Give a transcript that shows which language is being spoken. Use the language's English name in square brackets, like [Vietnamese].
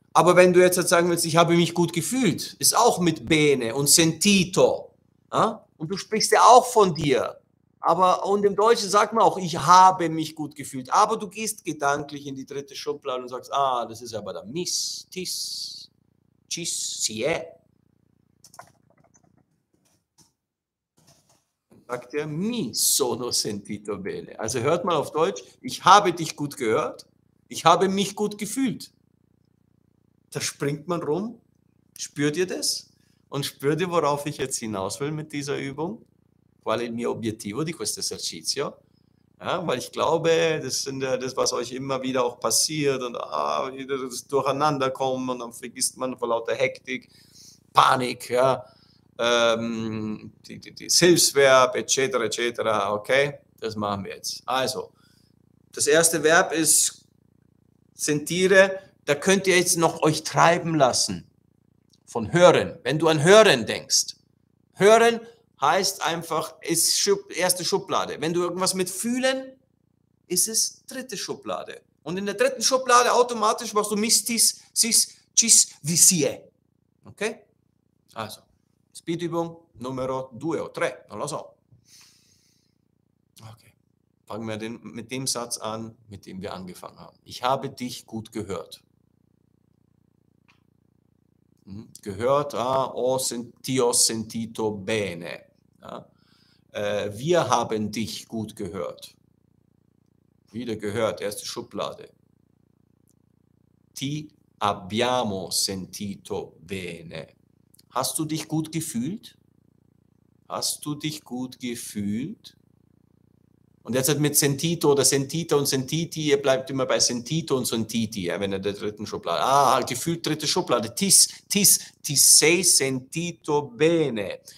[German] Aber wenn du jetzt sagen willst, ich habe mich gut gefühlt, ist auch mit bene und sentito. Ja? Und du sprichst ja auch von dir. Aber und im Deutschen sagt man auch, ich habe mich gut gefühlt. Aber du gehst gedanklich in die dritte Schublade und sagst, ah, das ist aber der Mis, Tis, Cis, Sie. Sagt er, [Italian] mi sono sentito bene. [German] Also hört mal auf Deutsch, ich habe dich gut gehört, ich habe mich gut gefühlt. Da springt man rum. Spürt ihr das? Und spürt ihr, worauf ich jetzt hinaus will mit dieser Übung? [Italian] Qual è il mio obiettivo di questo esercizio? [German] Ja, weil ich glaube, das, was euch immer wieder auch passiert und das Durcheinander kommen und dann vergisst man vor lauter Hektik, Panik, ja, das Hilfsverb, etc., etc. Okay, das machen wir jetzt. Also, das erste Verb ist sentire. Da könnt ihr jetzt noch euch treiben lassen von hören. Wenn du an hören denkst, hören heißt einfach, ist erste Schublade. Wenn du irgendwas mit fühlen, ist es dritte Schublade. Und in der dritten Schublade automatisch machst du Mistis, Sis, Cis, Visie. Okay? Also, Speedübung [Italian] numero due o tre, non lo so. [German] Fangen wir mit dem Satz an, mit dem wir angefangen haben. Ich habe dich gut gehört. [Italian] Gehört, ho sentito bene. Ja. [German] Wir haben dich gut gehört. Wieder gehört, erste Schublade. [Italian] Ti abbiamo sentito bene. [German] Hast du dich gut gefühlt? Hast du dich gut gefühlt? Und jetzt mit sentito oder sentita und sentiti, ihr bleibt immer bei sentito und sentiti, ja, wenn ihr der dritten Schublade, gefühlt dritte Schublade, [Italian] ti sei sentito bene.